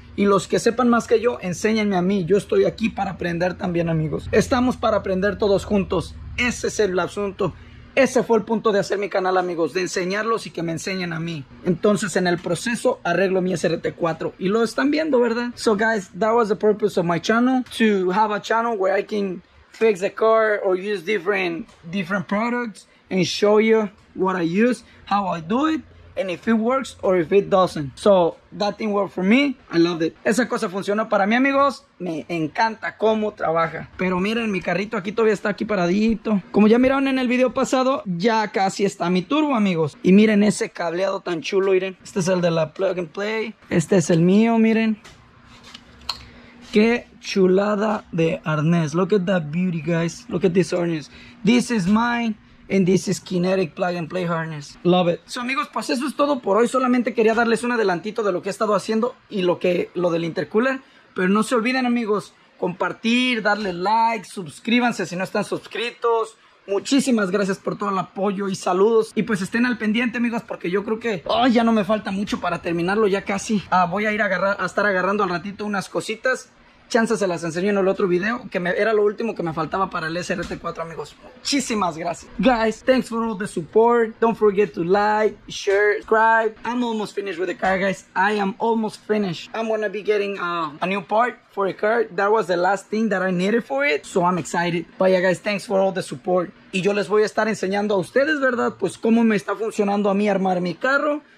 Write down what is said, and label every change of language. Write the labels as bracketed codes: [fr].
[es] Y los que sepan más que yo, enséñenme a mí. Yo estoy aquí para aprender también, amigos. Estamos para aprender todos juntos. Ese es el asunto. Ese fue el punto de hacer mi canal, amigos, de enseñarlos y que me enseñen a mí. Entonces, en el proceso, arreglo mi SRT4 y lo están viendo, ¿verdad? [en] So, guys, that was the purpose of my channel, to have a channel where I can fix the car or use different products and show you what I use, how I do it, and if it works or if it doesn't. So, that thing worked for me. I loved it. [es] Esa cosa funcionó para mí, amigos. Me encanta cómo trabaja. Pero miren, mi carrito aquí todavía está aquí paradito. Como ya miraron en el video pasado, ya casi está mi turbo, amigos. Y miren ese cableado tan chulo, miren. Este es el de la plug and play. Este es el mío, miren. Qué chulada de arnés. [en] Look at that beauty, guys. Look at this arnés. This is mine. And this is Kinetic Plug and Play Harness. Love it. [es] So, amigos, pues eso es todo por hoy. Solamente quería darles un adelantito de lo que he estado haciendo y lo del intercooler. Pero no se olviden, amigos, compartir, darle like, suscríbanse si no están suscritos. Muchísimas gracias por todo el apoyo y saludos. Y pues estén al pendiente, amigos, porque yo creo que ya no me falta mucho para terminarlo, ya casi. Voy a ir a estar agarrando al ratito unas cositas. Chances se las enseño en el otro video, que era lo último que me faltaba para el SRT4, amigos. Muchísimas gracias. [en] Guys, thanks for all the support. Don't forget to like, share, subscribe. I'm almost finished with the car, guys. I am almost finished. I'm gonna be getting a new part for a car. That was the last thing that I needed for it, so I'm excited. But yeah, guys, thanks for all the support. [es] Y yo les voy a estar enseñando a ustedes, ¿verdad? Pues cómo me está funcionando a mí armar mi carro.